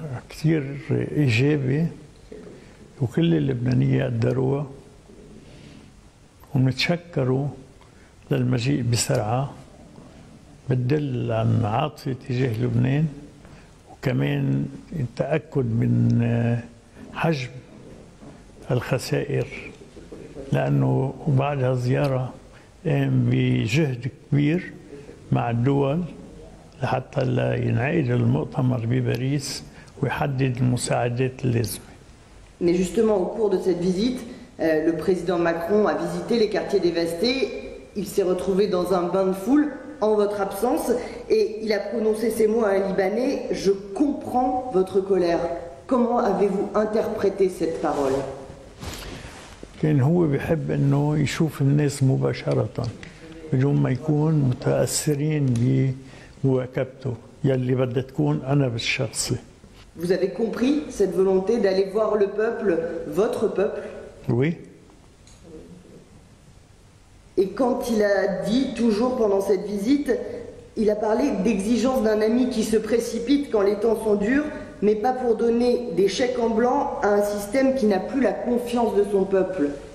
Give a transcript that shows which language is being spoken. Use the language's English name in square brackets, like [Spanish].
[Arabic] كثير إيجابي وكل اللبنانية قدروها ومتشكروا للمجيء بسرعة بتدل عن عاطفة تجاه لبنان وكمان التأكد من حجم الخسائر لأنه بعد هالزيارة قام بجهد كبير مع الدول لحتى لا ينعقد المؤتمر بباريس ويحدد المساعدات اللازمة. [French] Mais justement au cours de cette visite, le président Macron a visité les quartiers dévastés. Il s'est retrouvé dans un bain de foule en votre absence et il a prononcé ces mots à un Libanais: je comprends votre colère. Comment avez-vous interprété cette parole? [Arabic] كان هو بيحب انه يشوف الناس مباشرة بدون ما يكون متأثرين بمواكبته يلي بدها تكون انا بالشخصي. [French] Vous avez compris cette volonté d'aller voir le peuple, votre peuple? Oui. Et quand il a dit, toujours pendant cette visite, il a parlé d'exigence d'un ami qui se précipite quand les temps sont durs, mais pas pour donner des chèques en blanc à un système qui n'a plus la confiance de son peuple.